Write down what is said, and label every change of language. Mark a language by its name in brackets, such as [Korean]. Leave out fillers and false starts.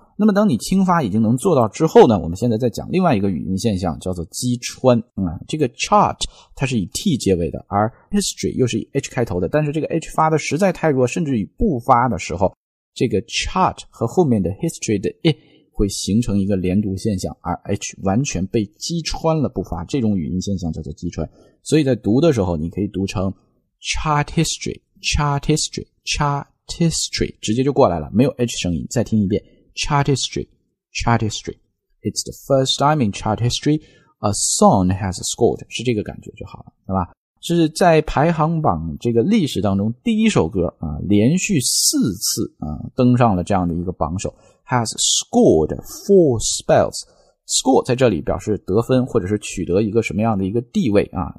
[Chinese] 那么当你轻发已经能做到之后呢，我们现在在讲另外一个语音现象叫做击穿、这个 chart 它是以 T 结尾的，而 history 又是以 H 开头的，但是这个 H 发的实在太弱，甚至于不发的时候，这个 chart 和后面的 history 的 I 会形成一个连读现象，而 H 完全被击穿了不发，这种语音现象叫做击穿。所以在读的时候你可以读成 [English] chart history, chart history, chart history, [Chinese] 直接就过来了，没有 H 声音。再听一遍， [English] Chart history, chart history. It's the first time in chart history a song has scored. [Chinese] 是这个感觉就好了，对吧？是在排行榜这个历史当中第一首歌啊，连续四次啊登上了这样的一个榜首。 [English] Has scored four spells. [Chinese] Score 在这里表示得分或者是取得一个什么样的一个地位啊。